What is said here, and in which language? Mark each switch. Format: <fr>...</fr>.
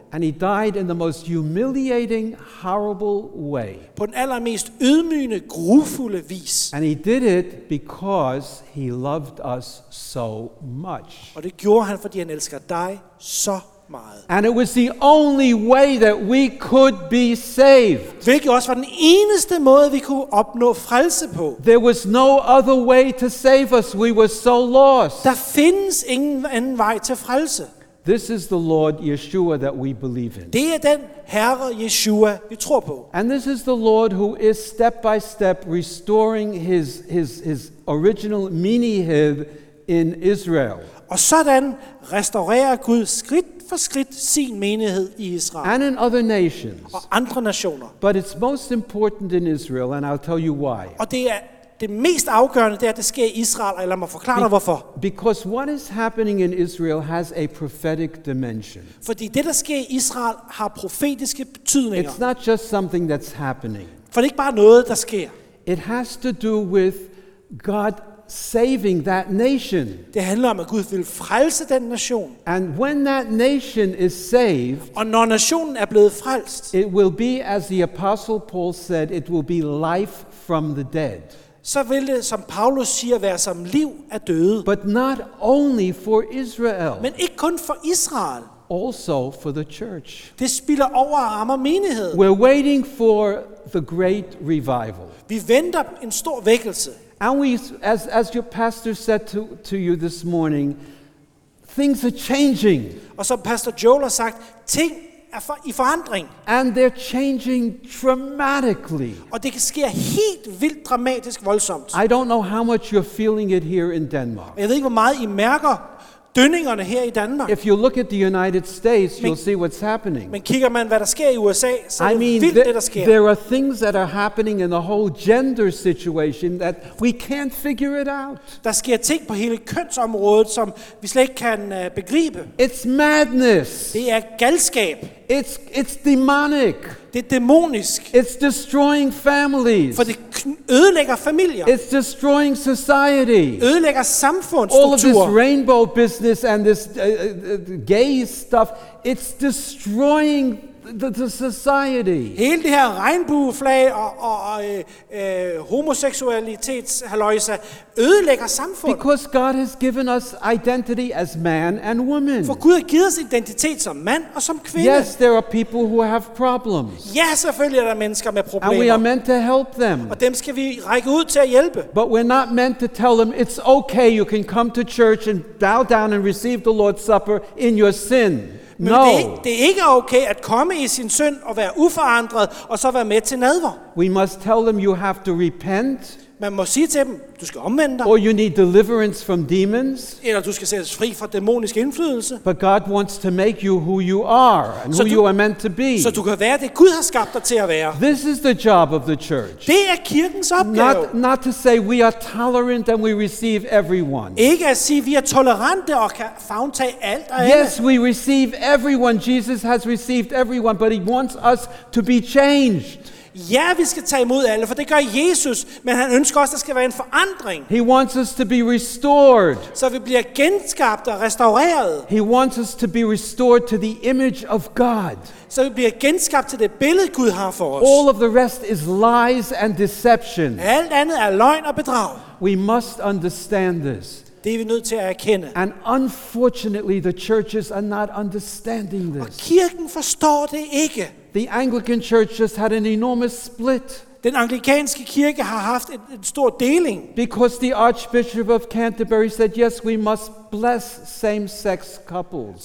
<en>and he died in the most humiliating, horrible way,</en> <da>på den allermest ydmygende, grufulde vis,</da> <en>and he did it because he loved us so much,</en> <da>og det gjorde han fordi han elsker dig så.</da> <en>And it was the only way that we could be saved.</en> <da>Hvilket også var den eneste måde, vi kunne opnå frelse på.</da> <en>There was no other way to save us. We were so lost.</en> <da>Der findes ingen anden vej til frelse.</da> <en>This is the Lord Yeshua that we believe in.</en> <da>Det er den Herre Yeshua, vi tror på.</da> <en>And this is the Lord who is step by step restoring his original menighed in Israel.</en> <da>Og sådan restaurerer Gud skridt for skridt sin menighed i Israel.</da> <en>And in other nations.</en> <da>Og andre nationer.</da> <en>But it's most important in Israel, and I'll tell you why.</en> <da>Og det er det mest afgørende, det er, at det sker i Israel, og lad mig forklare dig hvorfor.</da> <en>Because what is happening in Israel has a prophetic dimension.</en> <da>Fordi det, der sker i Israel, har profetiske betydninger.</da> <en>It's not just something that's happening.</en> <da>For det er ikke bare noget, der sker.</da> <en>It has to do with God saving that nation.</en> <da>Det handler om at Gud vil frelse den nation.</da> <en>And when that nation is saved,</en> <da>og når nationen er blevet frelst,</da> <en>it will be as the apostle Paul said, it will be life from the dead.</en> <da>Så vil det, som Paulus siger, være som liv af døde.</da> <en>But not only for Israel.</en> <da>Men ikke kun for Israel.</da> <en>Also for the church.</en> <da>Det spiller over og rammer menigheden.</da> <en>We're waiting for the great revival.</en> <da>Vi venter en stor vækkelse.</da> <en>And we, as your pastor said to you this morning, things are changing.</en> <da>Og som Pastor Joel har sagt, ting er i forandring.</da> <en>And they're changing dramatically.</en> <da>Og det sker helt vildt dramatisk voldsomt.</da> <en>I don't know how much you're feeling it here in Denmark.</en> <da>Jeg ved ikke, hvor meget I mærker dønningerne her i Danmark.</da> <en>If you look at the United States, you'll see what's happening.</en> <da>Men kigger man, hvad der sker i USA, så er det vildt, det der sker.</da> <en>There are things that are happening in the whole gender situation that we can't figure it out.</en> <da>Der sker ting på hele kønsområdet, som vi slet ikke kan begribe.</da> <en>It's madness.</en> <da>Det er galskab.</da> <en>It's demonic.</en> <da>Det er dæmonisk.</da> <en>It's destroying families.</en> <da>For det ødelægger familier.</da> <en>It's destroying society.</en> <da>Ødelægger samfundsstrukturer.</da> <en>All of this rainbow business and this gay stuff, it's destroying the society.</en> <da>Hele det her regnbueflag og homoseksualitetshaløjse ødelægger samfundet.</da> <en>Because God has given us identity as man and woman.</en> <da>For Gud har givet os identitet som mand og som kvinde.</da> <en>Yes, there are people who have problems.</en> <da>Ja, selvfølgelig er der mennesker med problemer.</da> <en>And we are meant to help them.</en> <da>Og dem skal vi række ud til at hjælpe.</da> <en>But we're not meant to tell them it's okay, you can come to church and bow down and receive the Lord's Supper in your sin. No.</en> <da>Det er ikke okay at komme i sin synd og være uforandret og så være med til nadver.</da> <en>We must tell them you have to repent.</en> <da>Man må sige til dem, du skal omvende dig.</da> <en>Or you need deliverance from demons.</en> <da>Eller du skal sættes fri fra dæmonisk indflydelse.</da> <en>But God wants to make you who you are and who you are meant to be.</en> <da>Så du kan være det Gud har skabt dig til at være.</da> <en>This is the job of the church.</en> <da>Det er kirkens opgave.</da> <en>Not to say we are tolerant and we receive everyone.</en> <da>Ikke at sige vi er tolerante og kan favntage alt og alle.</da> <en>Yes, we receive everyone. Jesus has received everyone, but he wants us to be changed.</en> <da>Ja, vi skal tage imod alle, for det gør Jesus, men han ønsker også, at der skal være en forandring.</da> <en>He wants us to be restored.</en> <da>Så vi bliver genskabt og restaureret.</da> <en>He wants us to be restored to the image of God.</en> <da>Så vi bliver genskabt til det billede, Gud har for os.</da> <en>All of the rest is lies and deception.</en> <da>Alt andet er løgn og bedrag.</da> <en>We must understand this.</en> <da>Det er vi nødt til at erkende.</da> <en>And unfortunately, the churches are not understanding this.</en> <da>Og kirken forstår det ikke.</da> <en>The Anglican Church just had an enormous split.</en> <da>Den anglikanske kirke har haft en stor deling.</da> <en>Because the Archbishop of Canterbury said, yes, we must bless same-sex couples.</en>